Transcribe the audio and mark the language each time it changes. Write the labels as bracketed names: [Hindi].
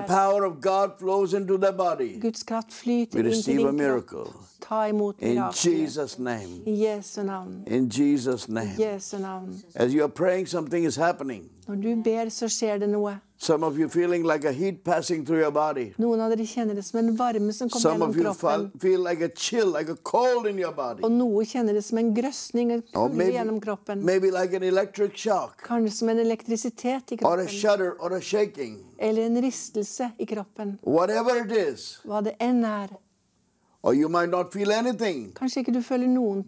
[English] The power of God flows into their body. [Norwegian] Guds kraft flyter inn til din kropp. [English] We receive a miracle. [Norwegian] Ta imot [English] in Jesus' name. [Norwegian] I Jesu navn. [English] In Jesus' name. [Norwegian] I Jesu navn. [English] As you are praying, something is happening. [Norwegian] Når du ber, så skjer det noe. [English] Some of you feeling like a heat passing through your body. [Norwegian] Noen av dere kjenner det som en varme som kommer gjennom kroppen. [English] Some of you feel like a chill, like a cold in your body. [Norwegian] Og noen kjenner det som en grøsning og kulde gjennom kroppen. [English] Maybe like an electric shock. [Norwegian] Kanskje som en elektrisitet i kroppen. [English] Or a shudder or a shaking. [Norwegian] Eller en ristelse i kroppen. [English] Whatever it is. [Norwegian] Hva det enn er. [English] Or you might not feel anything. [Norwegian] Kanskje ikke du føler noen ting.